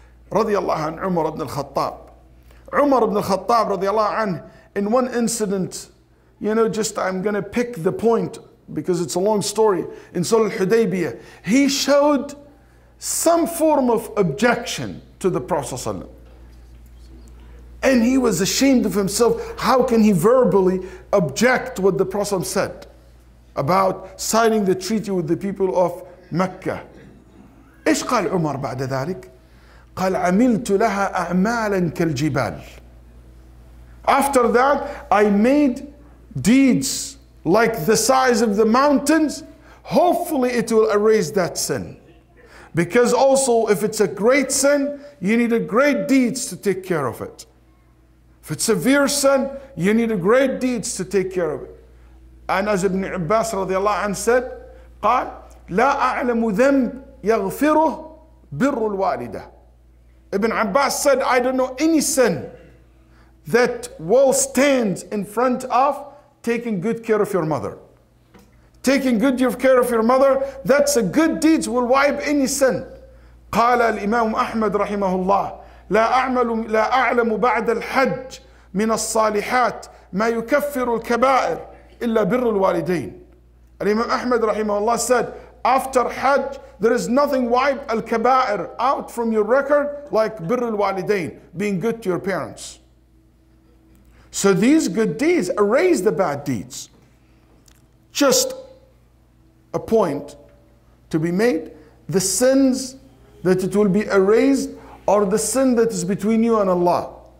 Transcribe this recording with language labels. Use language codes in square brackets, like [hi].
[en] Radiallahu an Umar ibn al-Khattab. Umar ibn al-Khattab radiallahu an, in one incident, you know, just I'm going to pick the point because it's a long story, in Sulh al-Hudaybiyah, he showed some form of objection to the Prophet and he was ashamed of himself. How can he verbally object what the Prophet said about signing the treaty with the people of Mecca? [ar] إيش قال عمر بعد ذلك؟ قال عملت لها أعمالا كالجبال. [en] After that, I made deeds like the size of the mountains. Hopefully it will erase that sin. Because also if it's a great sin, you need a great deeds to take care of it. If it's a severe sin, you need a great deeds to take care of it. And as Ibn Abbas radiallahu anhu said, [ar] قال لا أعلم ذنب يغفره بر الوالدة. [en] Ibn Abbas said, I don't know any sin that will stand in front of taking good care of your mother. Taking good care of your mother, that's a good deed, will wipe any sin. [ar] قال الإمام أحمد رحمه الله لا أعمل لا أعلم بعد الحج من الصالحات ما يكفر الكبائر إلا بر الوالدين. الإمام أحمد رحمه الله [en] said, after Hajj, there is nothing wipe al-kabair out from your record like [ar] بر الوالدين, [en] being good to your parents. So these good deeds erase the bad deeds. Just a point to be made, the sins that it will be erased are the sin that is between you and Allah.